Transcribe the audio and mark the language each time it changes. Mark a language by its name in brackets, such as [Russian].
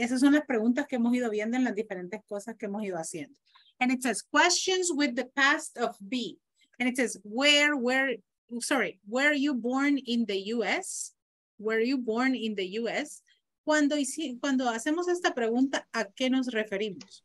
[Spanish] Esas son las preguntas que hemos ido viendo en las diferentes cosas que hemos ido haciendo. [English] And it says questions with the past of be. And it says were you born in the US? Were you born in the US? [Spanish] Cuando hacemos esta pregunta, ¿a qué nos referimos?